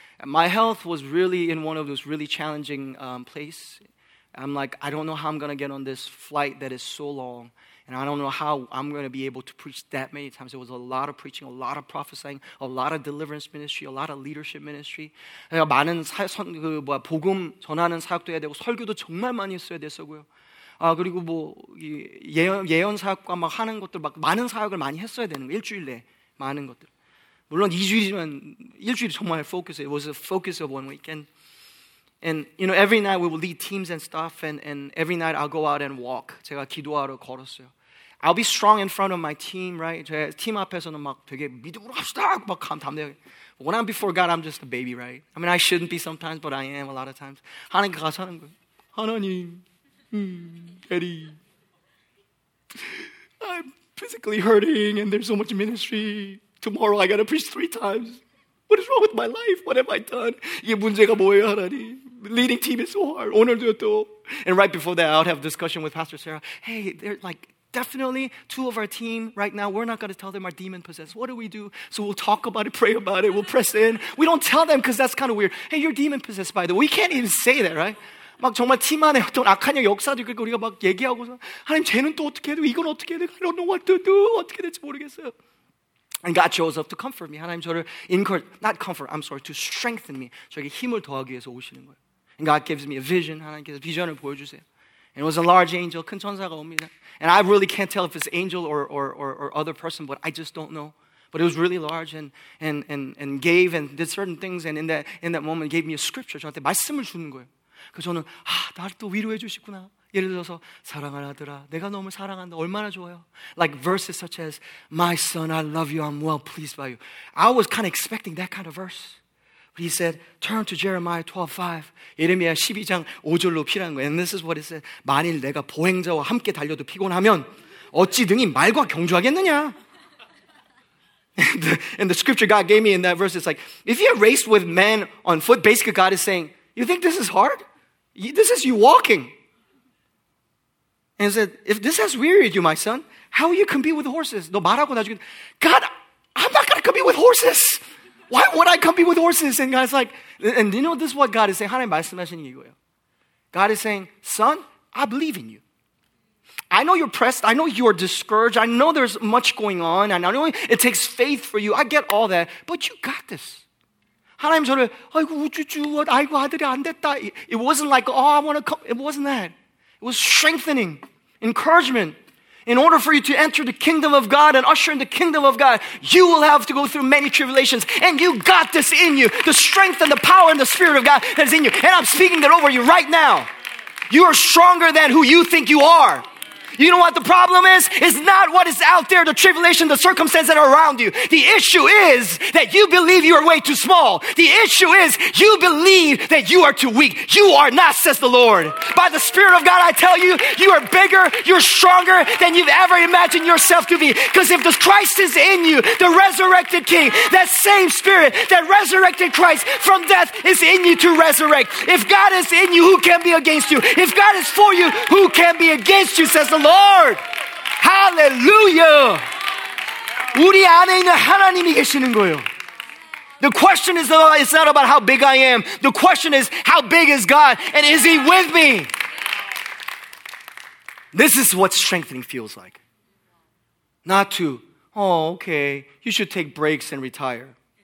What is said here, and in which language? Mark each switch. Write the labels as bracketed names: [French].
[English] my health was really in one of those really challenging place. I'm like, I don't know how I'm going to get on this flight that is so long. And I don't know how I'm going to be able to preach that many times. It was a lot of preaching, a lot of prophesying, a lot of deliverance ministry, a lot of leadership ministry. [Korean] 내가 많은 복음 전하는 사역도 해야 되고 설교도 정말 많이 했어야 됐었고요. 아 그리고 뭐 예언 사역과 막 하는 것들 막 많은 사역을 많이 했어야 되는 거 일주일 내 많은 것들. 물론 2주일이지만 일주일이 정말 focus. It [English] was a focus of one week. And you know, every night we will lead teams and stuff, and every night I'll go out and walk. [Korean] 제가 기도하러 걸었어요. [English] I'll be strong in front of my team, right? [Korean] 제 팀 앞에서는 막 되게 믿음으로 합시다 막 담대하게. [English] When I'm before God, I'm just a baby, right? I mean, I shouldn't be sometimes, but I am a lot of times. [Korean] 하나님께 가서 하는 거예요. [English] 하나님, Daddy, I'm physically hurting, and there's so much ministry. Tomorrow I gotta preach 3 times. What is wrong with my life? What have I done? [Korean] 이게 문제가 뭐예요, 하나님? [English] Leading team is so hard. [Korean] 오늘도 또. [English] And right before that, I'll have a discussion with Pastor Sarah. Hey, they're like, definitely two of our team right now, we're not going to tell them are demon-possessed. What do we do? So we'll talk about it, pray about it, we'll press in. We don't tell them because that's kind of weird. Hey, you're demon-possessed, by the way. We can't even say that, right? [Korean] 막 정말 팀 안에 어떤 악한 역사들 그리고 우리가 막 얘기하고서 하나님 쟤는 또 어떻게 해야 돼? 이건 어떻게 해야 돼? [English] I don't know what to do. [Korean] 어떻게 될지 모르겠어요. [English] And God shows up to comfort me. [Korean] 하나님 저를 [English] encourage, not comfort, I'm sorry, to strengthen me. [Korean] 저에게 힘을 더하기 위해서 오시는 거예요. [English] And God gives me a vision. [Korean] 하나님께서 비전을 보여주세요. [English] And it was a large angel. [Korean] 큰 천사가 옵니다. [English] And I really can't tell if it's angel or other person, but I just don't know. But it was really large and gave and did certain things. And in that moment, gave me a scripture. [Korean] 저한테 말씀을 주는 거예요. 그 저는 아, 나를 또 위로해 주시구나. 예를 들어서 사랑을 하더라. 내가 너무 사랑한다. 얼마나 좋아요. [English] Like verses such as My son, I love you. I'm well pleased by you. I was kind of expecting that kind of verse. But he said, turn to Jeremiah 12:5. [Korean] 예레미야 12장 5절로 피라는 거예요. [English] And this is what it said. [Korean] 만일 내가 보행자와 함께 달려도 피곤하면 어찌 능히 말과 경주하겠느냐? [English] And the scripture God gave me in that verse is like, if you're raced with men on foot, basically God is saying, you think this is hard? This is you walking. And he said, if this has wearied you, my son, how will you compete with horses? [Korean] 너 말하고 나중에, [English] God, I'm not going to compete with horses. Why would I compete with horses? And God's like, and you know, this is what God is saying. [Korean] 하나님 말씀하시는 이거예요. [English] God is saying, son, I believe in you. I know you're pressed. I know you're discouraged. I know there's much going on. And I know it takes faith for you. I get all that. But you got this. [Korean] 하나님 저를 아이고 우쭈쭈 아이고 아들이 안 됐다. [English] It wasn't like, oh, I want to come. It wasn't that. It was strengthening, encouragement. In order for you to enter the kingdom of God and usher in the kingdom of God, you will have to go through many tribulations. And you got this in you. The strength and the power and the spirit of God that is in you. And I'm speaking that over you right now. You are stronger than who you think you are. You know what the problem is? It's not what is out there, the tribulation, the circumstances that are around you. The issue is that you believe you are way too small. The issue is you believe that you are too weak. You are not, says the Lord. By the Spirit of God, I tell you, you are bigger, you're stronger than you've ever imagined yourself to be. Because if the Christ is in you, the resurrected King, that same Spirit that resurrected Christ from death is in you to resurrect. If God is in you, who can be against you? If God is for you, who can be against you, says the Lord. Hallelujah. [Korean] 우리 안에 있는 하나님이 계시는 거예요. [English] The question is, it's not about how big I am. The question is, how big is God? And is he with me? This is what strengthening feels like. Not to, oh, okay, you should take breaks and retire.